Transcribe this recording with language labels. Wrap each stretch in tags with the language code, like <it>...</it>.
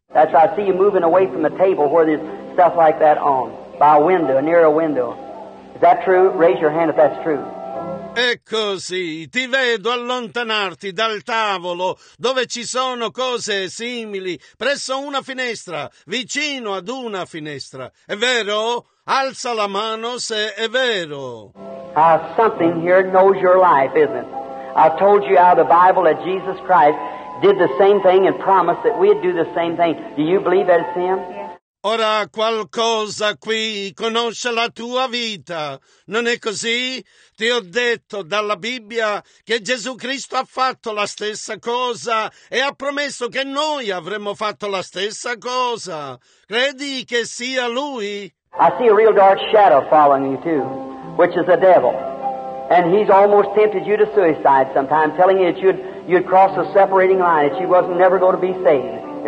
<en>That's right. I see you moving away from the table where there's stuff like that on, by a window, near a window. Is that true? Raise your hand if that's true.</en> <it>È così, ti vedo allontanarti dal tavolo dove ci sono cose simili, presso una finestra, vicino ad una finestra. È vero? Alza la mano se è vero.</it> <en>Something here knows your life, isn't it? I told you out of the Bible that Jesus Christ did the same thing and promised that we'd do the same thing. Do you believe that it's Him?</en> <it>Ora qualcosa qui conosce la tua vita, non è così? Ti ho detto dalla Bibbia che Gesù Cristo ha fatto la stessa cosa e ha promesso che noi avremmo fatto la stessa cosa. Credi che sia Lui?</it> <en>I see a real dark shadow following you too, which is the devil. And he's almost tempted you to suicide sometimes, telling you that you'd cross a separating line, that you wasn't never going to be saved.</en>